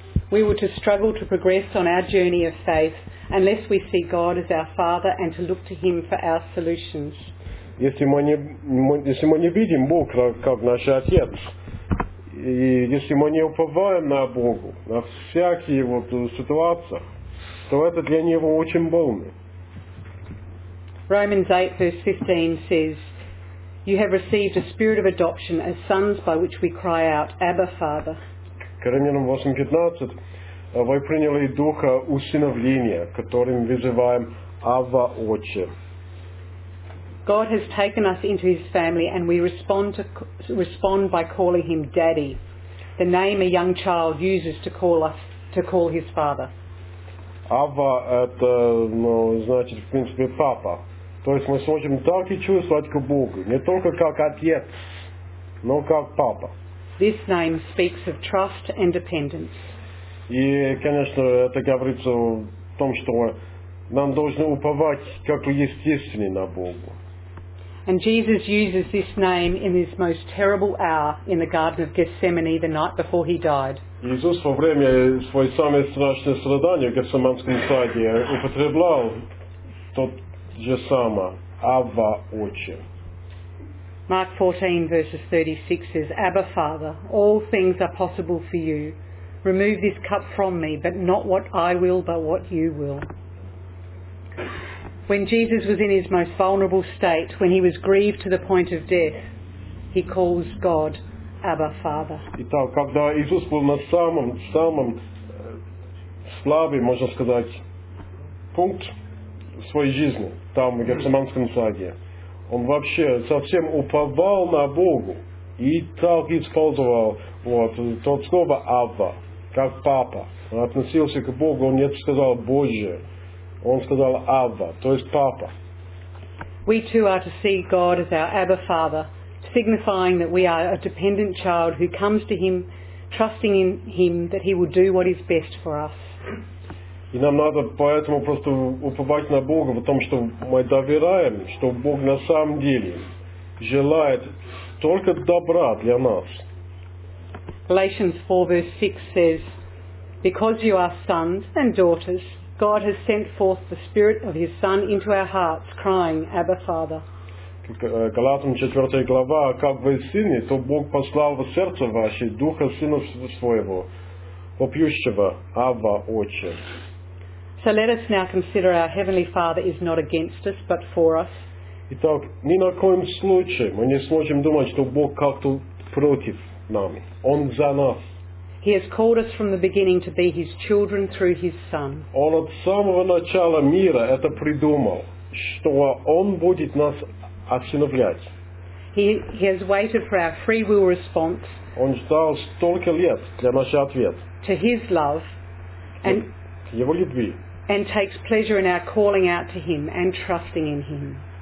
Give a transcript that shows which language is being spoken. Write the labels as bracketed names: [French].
[English] We were to struggle to progress on our journey of faith unless we see God as our Father and to look to Him for our solutions. [Russian] Если мы не видим Бога как наш Отец, и если мы не уповаем на Бога, на всякие вот ситуации, то это для него очень больно. [English] Romans 8, verse 15 says, "You have received a spirit of adoption as sons, by which we cry out, Abba, Father." [Russian] Коринфянам 8:15, вы приняли духа усыновления, которым вызываем Абба, Отче. [English] God has taken us into His family, and we respond by calling Him Daddy, the name a young child uses to call us to call his father. [Russian] Абба это, ну, значит, в принципе, папа. То есть мы сможем так и чувствовать к Богу, не только как отец, но как папа. [English] This name speaks of trust and dependence. [Russian] И, конечно, это говорится о том, что нам должно уповать как естественно на Бога. [English] And Jesus uses this name in his most terrible hour in the Garden of Gethsemane the night before he died. [Russian] Иисус во время своего самого страшного страдания в Гефсиманском саде употреблял тот же самое Абба, Отче. [English] Mark 14, verses 36 says, "Abba, Father, all things are possible for you. Remove this cup from me, but not what I will, but what you will." When Jesus was in his most vulnerable state, when he was grieved to the point of death, he calls God, Abba, Father. [Russian] Итак, когда Иисус был на самом слабый, можно сказать, пункт своей жизни, там, в Гефсиманском саде, он вообще совсем уповал на Бога и так использовал вот тот слово Абба, как папа. Он относился к Богу, он не сказал Боже, он сказал Абба, то есть папа. [English] We too are to see God as our Abba Father, signifying that we are a dependent child who comes to Him, trusting in Him that He will do what is best for us. [Russian] И нам надо поэтому просто уповать на Бога в том, что мы доверяем, что Бог на самом деле желает только добра для нас. [English] Galatians 4, verse 6 says, "Because you are sons and daughters, God has sent forth the Spirit of His Son into our hearts, crying, Abba, Father." [Russian] Галатам 4 глава, "Как вы сыны, то Бог послал в сердце ваше Духа Сына Своего, вопиющего, Абба, Отче." [English] So let us now consider our Heavenly Father is not against us, but for us. [Russian] Итак, ни на коем случае мы не сможем думать, что Бог как-то против нами. Он за нас. [English] He has called us from the beginning to be His children through His Son. [Russian] Он от самого начала мира это придумал, что Он будет нас осиновлять. [English] He has waited for our free will response. [Russian] Он ждал столько лет для нашего ответа. [English] To His love. [Russian] And Его любви. [English] And takes pleasure in our calling out to Him and trusting in Him.